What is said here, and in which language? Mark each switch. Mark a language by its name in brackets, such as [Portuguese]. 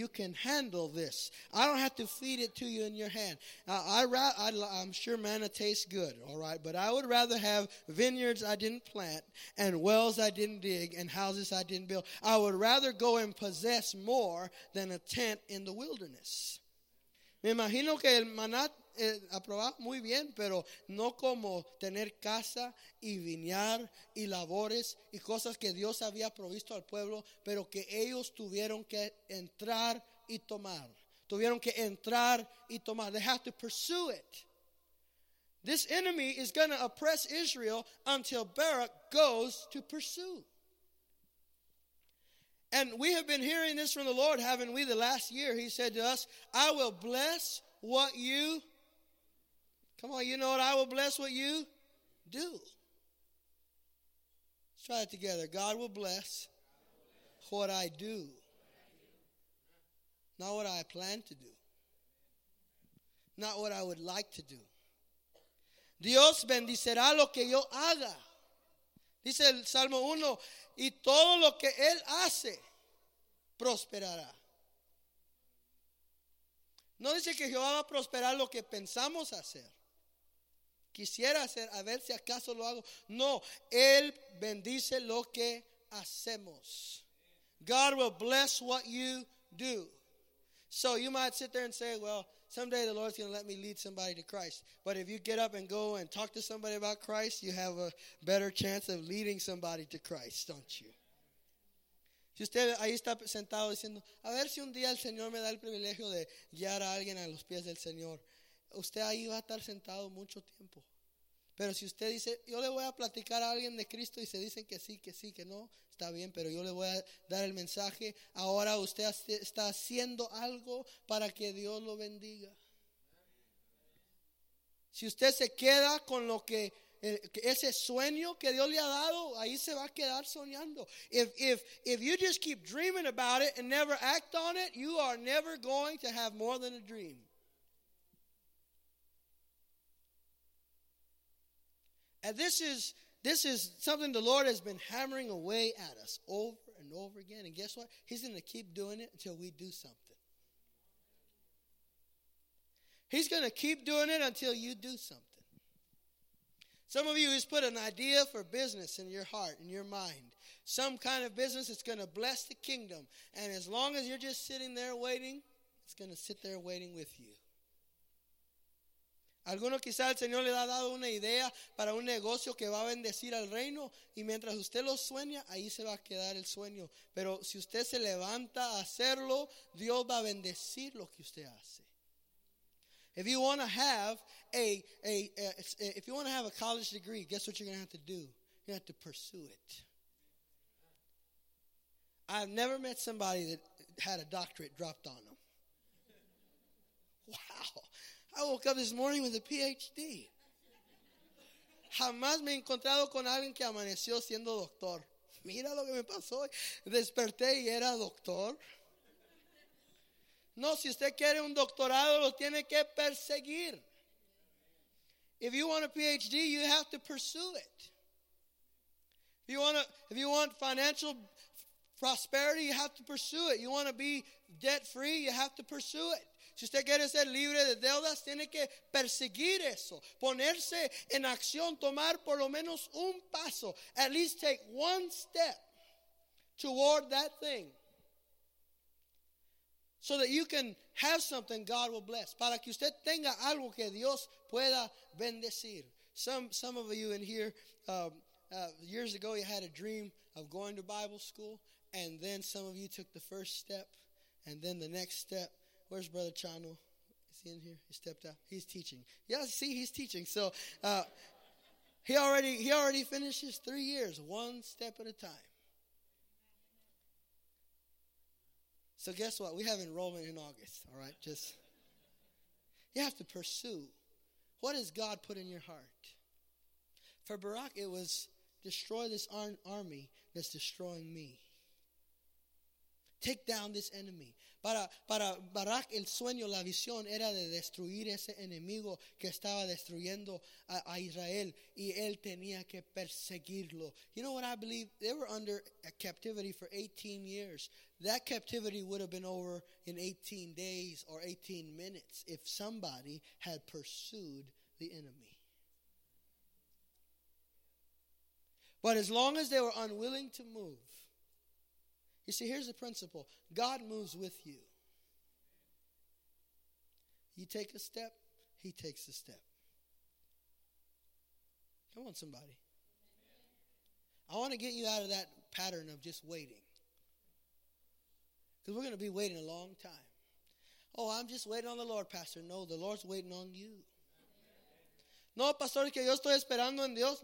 [English] You can handle this. I don't have to feed it to you in your hand. I'm sure manna tastes good, all right, but I would rather have vineyards I didn't plant and wells I didn't dig and houses I didn't build. I would rather go and possess more than a tent in the wilderness. [Spanish] Me imagino que el maná aprobaba muy bien, pero no como tener casa y viñar y labores y cosas que Dios había provisto al pueblo, pero que ellos tuvieron que entrar y tomar. Tuvieron que entrar y tomar. [English] They have to pursue it. This enemy is going to oppress Israel until Barak goes to pursue. And we have been hearing this from the Lord, haven't we, the last year. He said to us, I will bless what you come on, you know what? I will bless what you do. Let's try it together. God will bless what I do, not what I plan to do, not what I would like to do. [Spanish] Dios bendicerá lo que yo haga. Dice el Salmo 1, y todo lo que Él hace prosperará. No dice que Jehová va a prosperar lo que pensamos hacer. Quisiera hacer, a ver si acaso lo hago. No, Él bendice lo que hacemos. [English] God will bless what you do. So you might sit there and say, well, someday the Lord's going to let me lead somebody to Christ. But if you get up and go and talk to somebody about Christ, you have a better chance of leading somebody to Christ, don't you? [Spanish] Si usted ahí está sentado diciendo, a ver si un día el Señor me da el privilegio de guiar a alguien a los pies del Señor. Usted ahí va a estar sentado mucho tiempo. Pero si usted dice, yo le voy a platicar a alguien de Cristo y se dicen que sí, que no, está bien, pero yo le voy a dar el mensaje. Ahora usted está haciendo algo para que Dios lo bendiga. Si usted se queda con lo que ese sueño que Dios le ha dado, ahí se va a quedar soñando. [English] If you just keep dreaming about it and never act on it, you are never going to have more than a dream. And this is something the Lord has been hammering away at us over and over again. And guess what? He's going to keep doing it until we do something. He's going to keep doing it until you do something. Some of you, he's put an idea for business in your heart, in your mind. some kind of business that's going to bless the kingdom. And as long as you're just sitting there waiting, it's going to sit there waiting with you. [Spanish] Alguno quizá el Señor le ha dado una idea para un negocio que va a bendecir al reino, y mientras usted lo sueña, ahí se va a quedar el sueño. Pero si usted se levanta a hacerlo, Dios va a bendecir lo que usted hace. [English] If you want to have if you want to have a college degree, guess what you're going to have to do? You have to pursue it. I've never met somebody that had a doctorate dropped on them. Wow. I woke up this morning with a PhD. [Spanish] Jamás me he encontrado con alguien que amaneció siendo doctor. Mira lo que me pasó hoy. Desperté y era doctor. No, si usted quiere un doctorado, lo tiene que perseguir. [English] If you want a PhD, you have to pursue it. If you want financial prosperity, you have to pursue it. You want to be debt free, you have to pursue it. [Spanish] Si usted quiere ser libre de deudas, tiene que perseguir eso. Ponerse en acción, tomar por lo menos un paso. [English] At least take one step toward that thing. So that you can have something God will bless. [Spanish] Para que usted tenga algo que Dios pueda bendecir. [English] Some of you in here, years ago you had a dream of going to Bible school. And then some of you took the first step. And then the next step. Where's Brother Chano? Is he in here? He stepped out. He's teaching. Yeah, see, he's teaching. So he already finishes 3 years, one step at a time. So guess what? We have enrollment in August, all right? Just you have to pursue. What has God put in your heart? For Barak, it was destroy this army that's destroying me. Take down this enemy. [Spanish] Para Barak, el sueño, la visión era de destruir ese enemigo que estaba destruyendo a Israel, y él tenía que perseguirlo. [English] You know what I believe? They were under a captivity for 18 years. That captivity would have been over in 18 days or 18 minutes if somebody had pursued the enemy. But as long as they were unwilling to move, you see, here's the principle. God moves with you. You take a step, he takes a step. Come on, somebody. I want to get you out of that pattern of just waiting. Because we're going to be waiting a long time. Oh, I'm just waiting on the Lord, Pastor. No, the Lord's waiting on you. [Spanish] No, Pastor, que yo estoy esperando en Dios.